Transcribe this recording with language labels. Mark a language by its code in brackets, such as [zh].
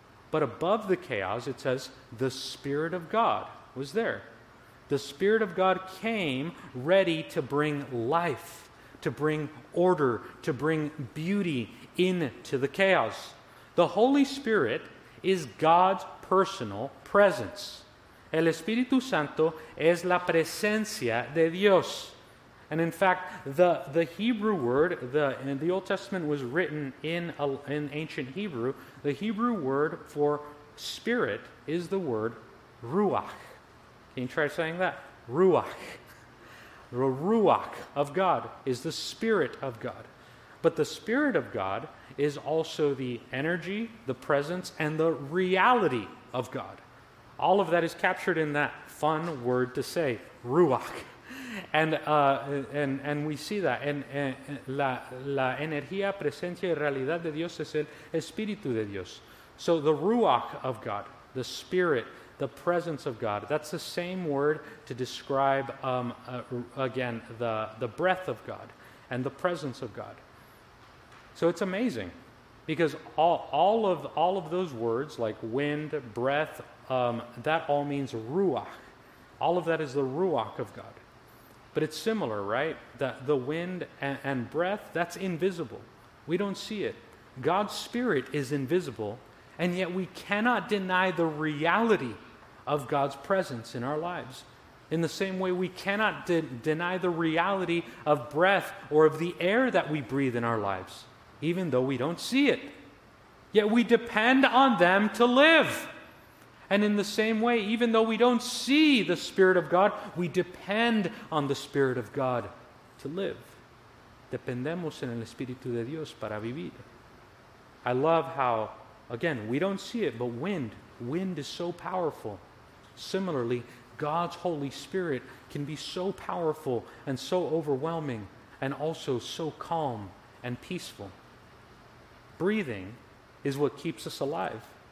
[en] But above the chaos, it says, the Spirit of God was there. The Spirit of God came ready to bring life, to bring order, to bring beauty into the chaos. The Holy Spirit is God's personal presence. El Espíritu Santo es la presencia de Dios. And in fact, the Hebrew word, the Old Testament was written in ancient Hebrew. The Hebrew word for spirit is the word ruach. Can you try saying that? Ruach. The ruach of God is the Spirit of God. But the Spirit of God is also the energy, the presence, and the reality of God. All of that is captured in that fun word to say, ruach. And we see that. [es] La energía, presencia y realidad de Dios es el Espíritu de Dios. [en] So the ruach of God, the Spirit, the presence of God, that's the same word to describe, again, the breath of God and the presence of God. So it's amazing because all of those words like wind, breath, that all means ruach. All of that is the ruach of God. But it's similar, right? The wind and breath, that's invisible. We don't see it. God's Spirit is invisible, and yet we cannot deny the reality of God's presence in our lives. In the same way, we cannot deny the reality of breath or of the air that we breathe in our lives, even though we don't see it. Yet we depend on them to live. And in the same way, even though we don't see the Spirit of God, we depend on the Spirit of God to live. [es] Dependemos en el Espíritu de Dios para vivir. [en] I love how, again, we don't see it, but wind is so powerful. Similarly, God's Holy Spirit can be so powerful and so overwhelming and also so calm and peaceful. Breathing is what keeps us alive.